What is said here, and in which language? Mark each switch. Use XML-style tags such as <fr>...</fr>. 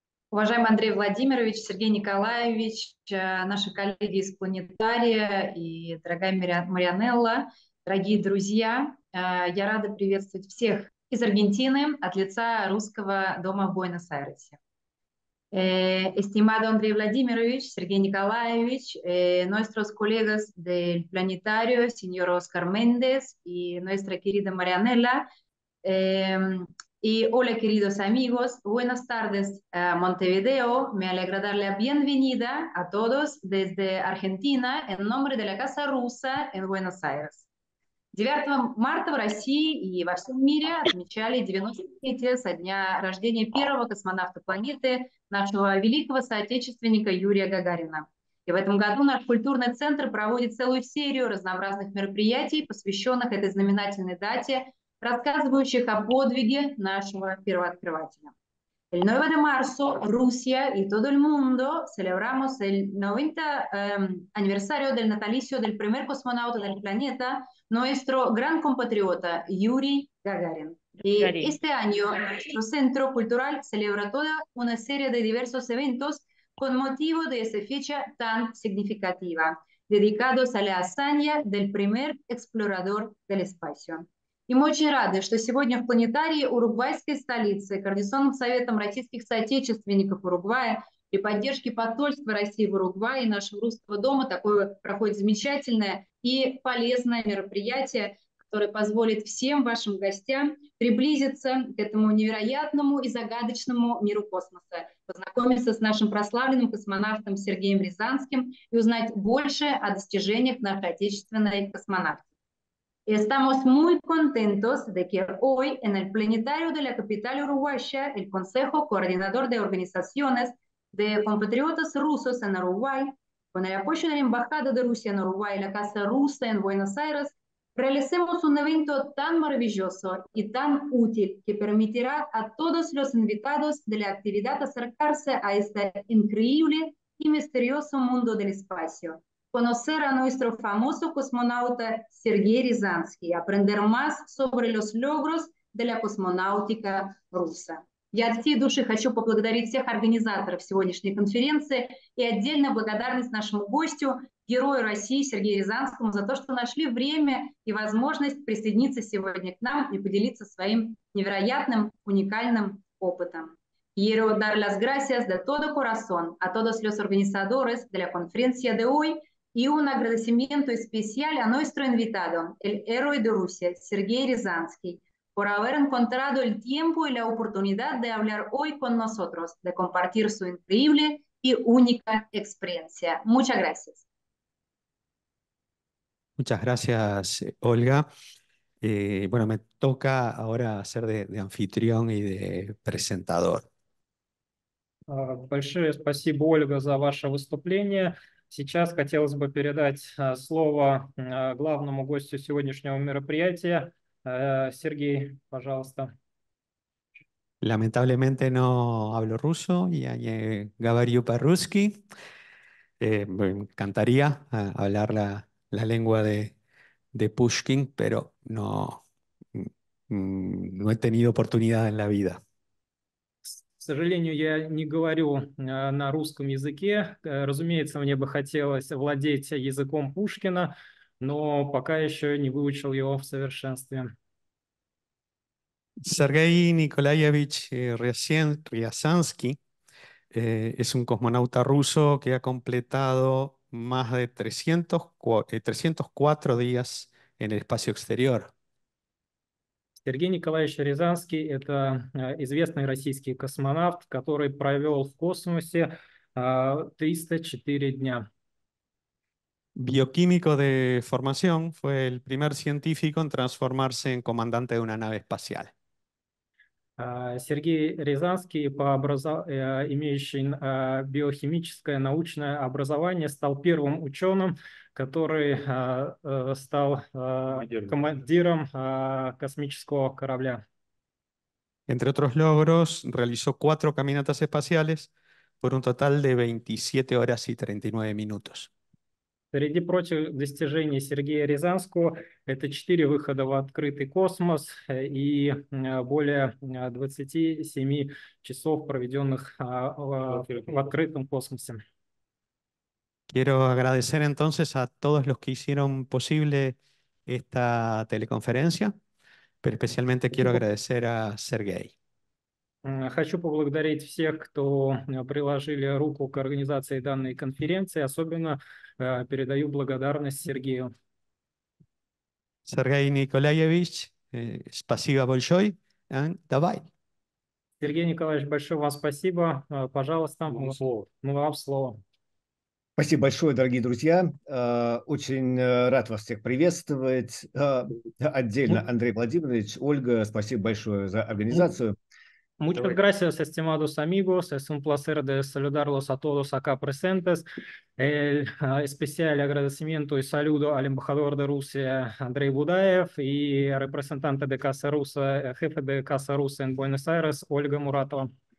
<ru>Уважаемый Андрей Владимирович, Сергей Николаевич, наши коллеги из Планетария и дорогая Марианелла, дорогие друзья, я рада приветствовать всех из Аргентины от лица русского дома в Буэнос-Айресе.</ru> <es>Estimado Andrei Vladimirovich, Sergei Nikolaevich, nuestros colegas del Planetario, señor Oscar Méndez y nuestra querida Marianela, y hola queridos amigos, buenas tardes Montevideo, me alegra dar la bienvenida a todos desde Argentina en nombre de la Casa Rusa en Buenos Aires.</es> <ru>9 марта в России и во всем мире отмечали 90-летие со дня рождения первого космонавта планеты, нашего великого соотечественника Юрия Гагарина. И в этом году наш культурный центр проводит целую серию разнообразных мероприятий, посвященных этой знаменательной дате, рассказывающих о подвиге нашего первооткрывателя.</ru> <es>El 9 de marzo, Rusia y todo el mundo celebramos el 90 aniversario del natalicio del primer cosmonauta del planeta, nuestro gran compatriota Yuri Gagarin. Y este año nuestro centro cultural celebra toda una serie de diversos eventos con motivo de esa fecha tan significativa, dedicados a la hazaña del primer explorador del espacio.</es> <ru>И мы очень рады, что сегодня в планетарии уругвайской столицы Координационным советом российских соотечественников Уругвая при поддержке посольства России в Уругвае и нашего русского дома такое проходит замечательное и полезное мероприятие, которое позволит всем вашим гостям приблизиться к этому невероятному и загадочному миру космоса, познакомиться с нашим прославленным космонавтом Сергеем Рязанским и узнать больше о достижениях нашей отечественной космонавтики.</ru> <es>Estamos muy contentos de que hoy en el plenitario de la capital uruguaya el Consejo Coordinador de Organizaciones de Compatriotas Rusos en Uruguay, con el apoyo de la Embajada de Rusia en Uruguay y la Casa Rusa en Buenos Aires, realicemos un evento tan maravilloso y tan útil que permitirá a todos los invitados de la actividad acercarse a este increíble y misterioso mundo del espacio. Conocer a nuestro famoso cosmonauta Sergei Rizansky, aprender más sobre los logros de la космонаутика руса.</es> <ru>Я от всей души хочу поблагодарить всех организаторов сегодняшней конференции и отдельно благодарность нашему гостю, герою России Сергею Рязанскому за то, что нашли время и возможность присоединиться сегодня к нам и поделиться своим невероятным, уникальным опытом.</ru> <es>Quiero dar las gracias de todo corazón a todos los organizadores de la conferencia de hoy.</es> <ru>И</ru> <es>un agradecimiento especial a nuestro invitado, el héroe de Rusia, Сергей Рязанский, por haber encontrado el tiempo y la oportunidad de hablar hoy con nosotros, de compartir su increíble y única experiencia. Muchas gracias. Muchas gracias, Olga. Bueno, me toca ahora ser de anfitrión y de presentador.</es> <ru>Большое спасибо, Ольга, за ваше выступление. Сейчас хотелось бы передать слово главному гостю сегодняшнего мероприятия. Сергей, пожалуйста.</ru> <es>Lamentablemente no hablo ruso,</es> <ru>я не говорю по-русски.</ru> <es>Me encantaría hablar la lengua de Пушкин, pero no he tenido oportunidad en la vida.</es> <ru>К сожалению, я не говорю на русском языке. Разумеется, мне бы хотелось владеть языком Пушкина, но пока еще не выучил его в совершенстве.</ru> <es>Сергей Николаевич Рязанский es un cosmonauta ruso que ha completado más de 304 días en el espacio exterior.</es> <ru>Сергей Николаевич Рязанский – это известный российский космонавт, который провел в космосе 304 дня.</ru> <es>Bioquímico de formación, fue el primer científico en transformarse en comandante de una nave espacial.</es> <ru>Сергей Рязанский, имеющий биохимическое научное образование, стал первым ученым, который стал командиром космического корабля.</ru> <es>Entre otros logros, realizó 4 caminatas espaciales por un total de 27 horas y 39 minutos.</es> <ru>Среди прочих достижений Сергея Рязанского это 4 выхода в открытый космос и более 27 часов, проведенных в открытом космосе.</ru> <es>Quiero agradecer entonces a todos los que hicieron posible esta teleconferencia, pero especialmente quiero agradecer a Sergei.</es> <ru>Хочу поблагодарить всех, кто приложили руку к организации данной конференции, особенно передаю благодарность Сергею. Сергей Николаевич, спасибо большое. Давай. Сергей Николаевич, большое вам спасибо. Пожалуйста, вам слово. Спасибо большое, дорогие друзья. Очень рад вас всех приветствовать. Отдельно Андрей Владимирович, Ольга, спасибо большое за организацию.</ru> <es>Muchas gracias, estimados amigos. Es un placer de saludarlos a todos acá presentes. El especial agradecimiento y saludo al embajador de Rusia, Andrei Budaev, y representante de Casa Rusa, jefe de Casa Rusa en Buenos Aires, Ольга Муратова.</es>